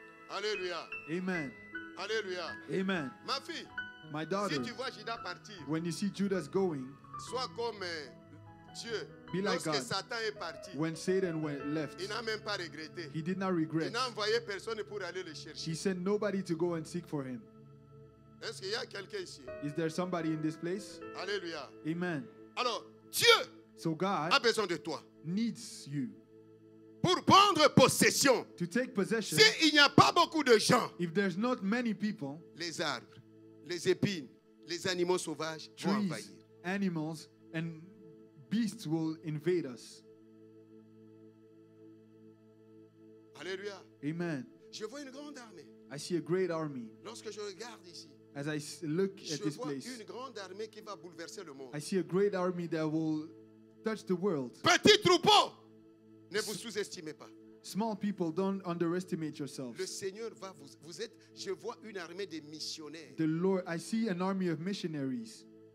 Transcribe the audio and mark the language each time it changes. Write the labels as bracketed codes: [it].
[fr] Alléluia. Amen. Alléluia. Amen. Ma fille. [en] My daughter. [fr] Si tu vois Judas partir. [en] When you see Judas going. [fr] Sois comme Dieu. [en] Be like [fr] lorsque [en] God. [fr] Satan est parti, [en] when Satan went left, [fr] il n'a même pas regretté. [en] He did not regret. [fr] Il n'a envoyé personne pour aller le chercher. [en] He sent nobody to go and seek for him. [fr] Est-ce qu'il y a quelqu'un ici? [en] Is there somebody in this place? Alléluia. Amen. [fr] Alors, Dieu [en] so God [fr] a besoin de toi. [en] Needs you. [fr] Pour prendre possession. [en] To take possession. [fr] Si il n'y a pas beaucoup de gens. [en] If there's not many people. [fr] Les arbres, les épines, les animaux sauvages vont envahir. [en] animals and beasts will invade us. Alleluia. Amen. [fr] Je vois une grande armée. [en] I see a great army. [fr] Lorsque je regarde ici, [en] as I look at this place, [fr] une grande armée qui va bouleverser le monde. [en] I see a great army that will touch the world. [fr] Petit troupeau, ne vous sous-estimez pas. [en] Small people, don't underestimate yourselves. [fr] Le Seigneur va vous, vous êtes, je vois une armée des missionnaires. [en] The Lord, I see an army of missionaries.